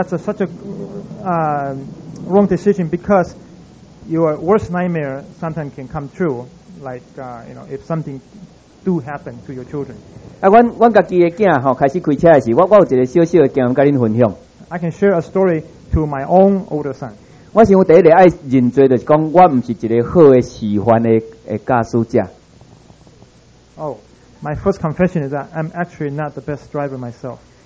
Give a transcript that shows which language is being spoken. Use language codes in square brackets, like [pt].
[en] Sometimes that's such a wrong decision, because your worst nightmare sometimes can come true, like if something do happen to your children. [nan] 我家己的囝吼开始开车的时，我有一个小小的经验甲恁分享。 [en] I can share a story to my own older son. [nan] 我想我第一个爱认罪，就是讲我唔是一个好的示范的驾驶者。 [en] Oh, my first confession is that I'm actually not the best driver myself.